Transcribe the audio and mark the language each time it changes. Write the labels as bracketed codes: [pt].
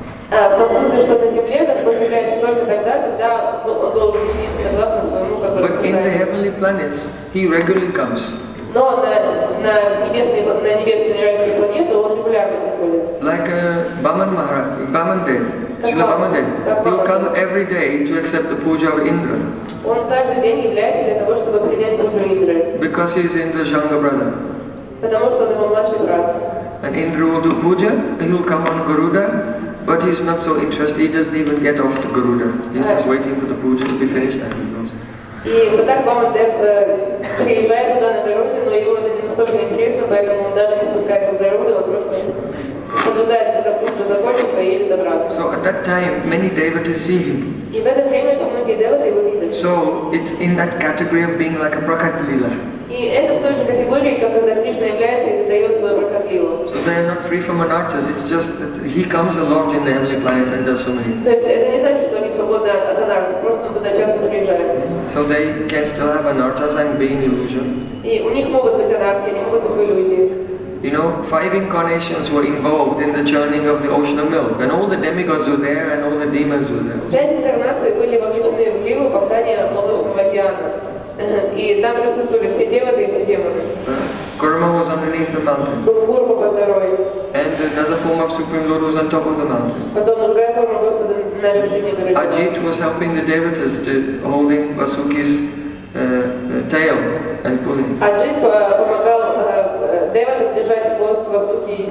[ru] В том смысле, что на земле Господь является только тогда, когда он должен явиться согласно своему как бы. [en] But in the heavenly planets, he regularly comes. [ru] Но на небесной планете он регулярно приходит. [en] Like Баман Дев. Srila Vamadev, he will come every day to accept the puja of Indra. Because he is Indra's younger brother. And Indra will do puja, and he will come on Garuda, but he is not so interested, he doesn't even get off the Garuda. He is just waiting for the puja to be finished and he goes. [ru] И вот так Бамадев приезжает туда на Гаруде, но его это не настолько интересно, поэтому он даже не спускается с Гаруды, он просто поджидает, когда пуджа закончится и едет обратно. [en] So at that time many devotees see him. [ru] И в это время очень многие девоты его видят. [en] So it's in that category of being like a prakat lila. [ru] И это в той же категории, как когда Кришна является и дает свою прокатлилу. [en] So they are not free from anarthas, it's just that he comes a lot in the heavenly planets and does so many things. [ru] То есть это не значит, что они свободны от анартхи, просто он туда часто приезжает. [en] So they can still have anarthas and be in illusion. [ru] И у них могут быть анартхи, они могут быть в иллюзии. [en] You know, five incarnations were involved in the churning of the ocean of milk, and all the demigods were there, and all the demons were there. [ru] Пять инкарнаций были вовлечены в ливу повторения молочного океана. И там присутствовали все деваты и все демоны. [en] Курма was underneath the mountain. [ru] Был Курма под горой. [en] And another form of Supreme Lord was on top of the mountain. [ru] Потом другая форма Господа на вершине горы. [en] Ajit was helping the devotees to holding Vasuki's tail and pulling. [ru] Ajit помогал девотам держать хвост Васуки.